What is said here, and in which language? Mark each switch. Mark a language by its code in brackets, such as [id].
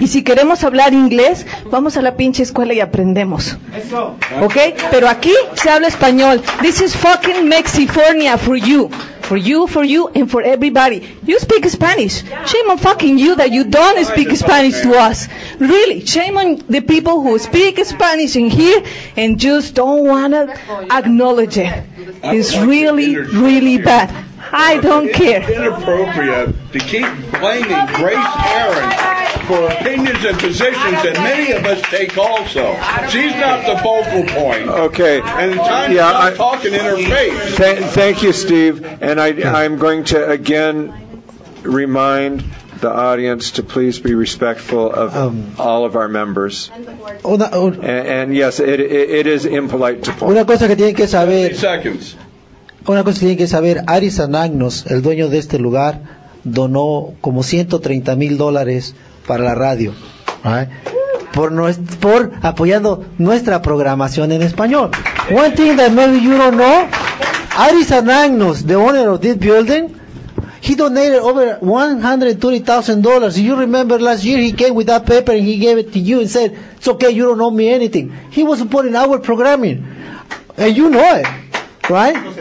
[es] Y si queremos hablar inglés, vamos a la pinche escuela y aprendemos. Eso. [en] Okay? Yeah. [es] Pero aquí se habla español. [en] This is fucking Mexifornia for you. For you, and for everybody. You speak Spanish. Shame on fucking you that you don't speak Spanish to us. Really, shame on the people who speak Spanish in here and just don't want to acknowledge it. It's really, really bad. I don't care. It's inappropriate to keep blaming Grace Aaron for opinions and positions that many of us take also. She's not the focal point. Okay. And it's time to stop talking in her face. Thank you, Steve. And I'm going to again remind the audience to please be respectful of all of our members. And yes, it is impolite to point. [es] Una cosa que tienen que saber. [en] 30 seconds. [es] Una cosa que tienen que saber, Aris Anagnos, el dueño de este lugar, donó como $130,000 para la radio, right? por apoyando nuestra programación en español. [en] One thing that maybe you don't know, Aris Anagnos, the owner of this building, he donated over $120,000. You remember last year he came with that paper and he gave it to you and said, it's okay, you don't owe me anything. He was supporting our programming, and you know it. Right?